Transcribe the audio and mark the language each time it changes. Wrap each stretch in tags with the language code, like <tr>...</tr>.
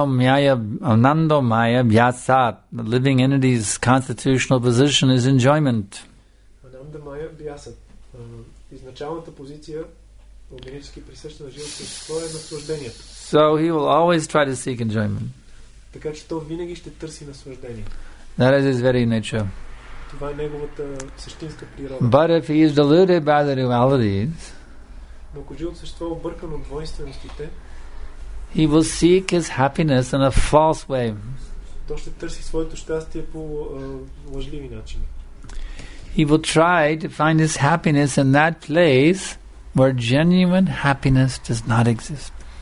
<sa>Anandamaya vyasat,</sa> <en>the living entity's constitutional position is enjoyment.</en> <sa>Anandamaya vyasat.</sa> <bg>Изначалната позиция органически присъща на живото същество е наслаждението.</bg> <en>So he will always try to seek enjoyment.</en> <bg>Така че то винаги ще търси наслаждение.</bg> <en>That is his very nature.</en> <bg>Това е неговата същинска природа.</bg> <en>But if he is deluded by the dualities,</en> <bg>но ако живото същество е объркано от двойственостите,</bg> <en>he will seek his happiness in a false way.</en> <bg>То ще търси своето щастие по лъжливи начини.</bg> <en>He will try to find his happiness in that place where genuine happiness does not exist.</en>